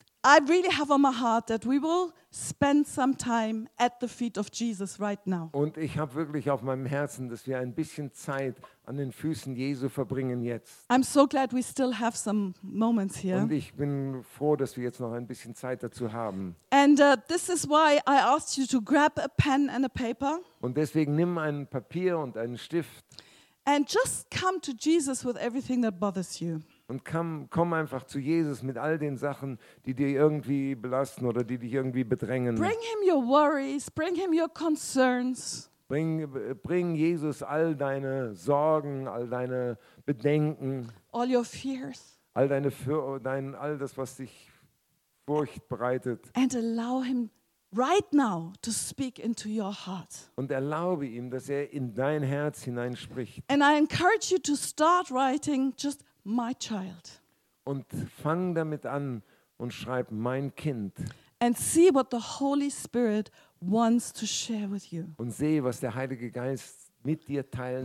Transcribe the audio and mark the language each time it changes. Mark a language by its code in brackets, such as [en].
[en] I really have on my heart that we will spend some time at the feet of Jesus right now. [de] Und ich habe wirklich auf meinem Herzen, dass wir ein bisschen Zeit an den Füßen Jesu verbringen jetzt. [en] I'm so glad we still have some moments here. [de] Und ich bin froh, dass wir jetzt noch ein bisschen Zeit dazu haben. [en] And this is why I asked you to grab a pen and a paper. [de] Und deswegen nimm ein Papier und einen Stift. [en] And just come to Jesus with everything that bothers you. [de] Und komm einfach zu Jesus mit all den Sachen, die dir irgendwie belasten oder die dich irgendwie bedrängen. [en] Bring him your worries, bring him your concerns. [de] Bring Jesus all deine Sorgen, all deine Bedenken. [en] All your fears. [de] All das, was dich Furcht bereitet. [en] And allow him right now to speak into your heart. [de] Und erlaube ihm, dass er in dein Herz hineinspricht. [en] And I encourage you to start writing just my child. [de] Und fang damit an und schreib mein Kind. [en] And see what the Holy Spirit wants to share with you. [de] Und seh, was der Heilige Geist mit dir teilen